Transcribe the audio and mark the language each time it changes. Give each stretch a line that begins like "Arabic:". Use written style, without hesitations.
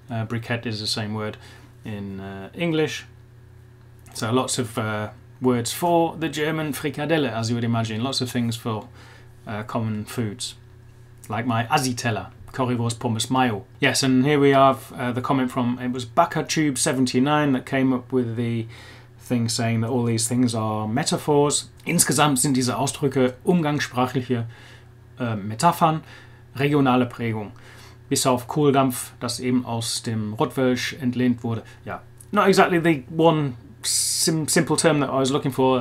English: Briquette is the same word in English. So lots of words for the German Frikadelle, as you would imagine. Lots of things for common foods. Like my Assiteller, Currywurst Pommes Mayo. Yes, and here we have the comment from, it was BackerTube79 that came up with the thing saying that all these things are metaphors.
German: Insgesamt sind diese Ausdrücke umgangssprachliche Metaphern, regionale Prägung. Bis auf Kohldampf, das eben aus dem Rottwölsch entlehnt wurde.
English: Yeah, not exactly the one simple term that I was looking for.